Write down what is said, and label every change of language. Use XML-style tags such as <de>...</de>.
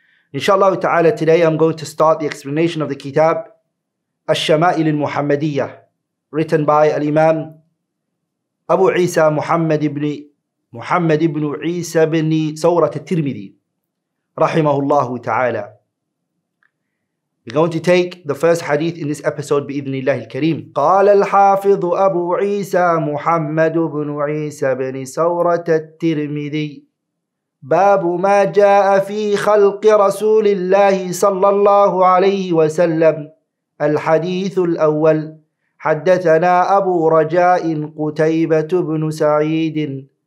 <en>Inshallah ta'ala, today I'm going to start the explanation of the kitab Al-Shama'il al-Muhammadiyyah, written by Al-Imam Abu Isa Muhammad ibn Isa ibn Sawrat al-Tirmidhi, rahimahullahu ta'ala. We're going to take the first hadith in this episode, bi-idhnillahi al-kareem.</en> <ar>Qala al-Haafidh Abu Isa Muhammad ibn Isa ibn Sawrat al-Tirmidhi باب ما جاء في خلق رسول الله صلى الله عليه وسلم الحديث الأول حدثنا أبو رجاء قتيبة بن سعيد</ar>